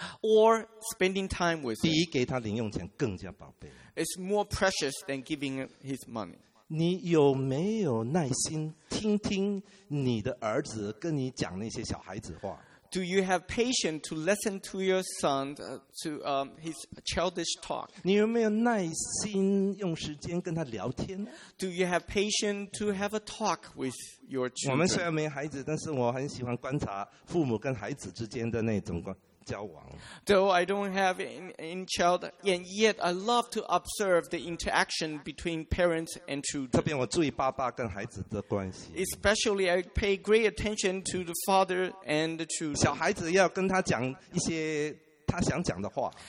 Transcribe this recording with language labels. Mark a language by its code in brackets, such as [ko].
[en] or spending time with him, [zh] 比给他零用钱更加宝贝 [en] it's more precious than giving his money. [zh] 你有没有耐心听听你的儿子跟你讲那些小孩子话 [en] Do you have patience to listen to your son his childish talk? [zh] 你有没有耐心用时间跟他聊天? [en] Do you have patience to have a talk with your children? [zh] 我们虽然没孩子，但是我很喜欢观察父母跟孩子之间的那种交往。 [en] Though I don't have any child, and yet I love to observe the interaction between parents and children. [zh] 特别我注意爸爸跟孩子的关系。 [en] Especially I pay great attention to the father and the children. [zh] 小孩子要跟他讲一些他想讲的话。